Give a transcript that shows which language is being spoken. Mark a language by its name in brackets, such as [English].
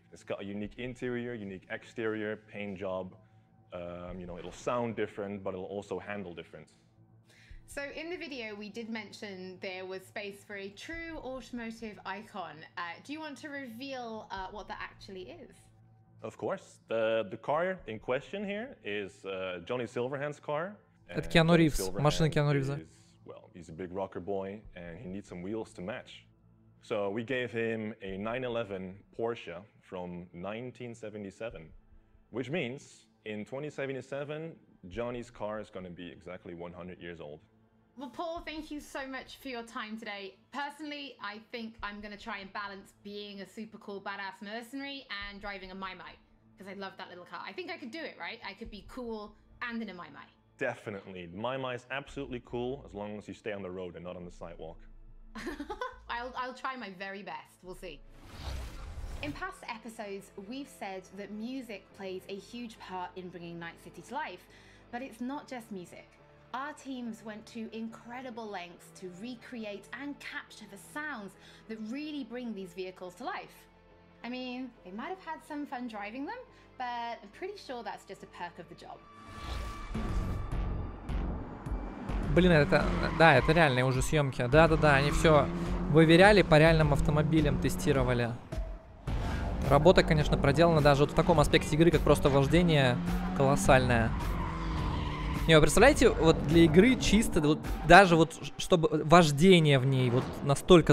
[English] It's got a unique interior, unique exterior, paint job. You know, it'll sound different, but it'll also handle different. So in the video, we did mention there was space for a true automotive icon. Do you want to reveal what that actually is? Of course. The car in question here is Johnny Silverhand's car. [Russian] Это Киану Ривз, машина Киану Ривза. [English] Well, he's a big rocker boy, and he needs some wheels to match. So we gave him a 911 Porsche from 1977, which means in 2077, Johnny's car is going to be exactly 100 years old. Well, Paul, thank you so much for your time today. Personally, I think I'm going to try and balance being a super cool badass mercenary and driving a Maymay, because I love that little car. I think I could do it, right? I could be cool and in a Maymay. Definitely. Maymay is absolutely cool as long as you stay on the road and not on the sidewalk. I'll try my very best. We'll see. In past episodes, we've said that music plays a huge part in bringing Night City to life, but it's not just music. Our teams went to incredible lengths to recreate and capture the sounds that really bring these vehicles to life. I mean, they might have had some fun driving them, but I'm pretty sure that's just a perk of the job. [Russian] Блин, это, да, это реальные уже съемки. Да-да-да, они все выверяли по реальным автомобилям, тестировали. Работа, конечно, проделана даже вот в таком аспекте игры, как просто вождение, колоссальная. Не, вы представляете, вот для игры чисто, вот, даже вот, чтобы вождение в ней вот настолько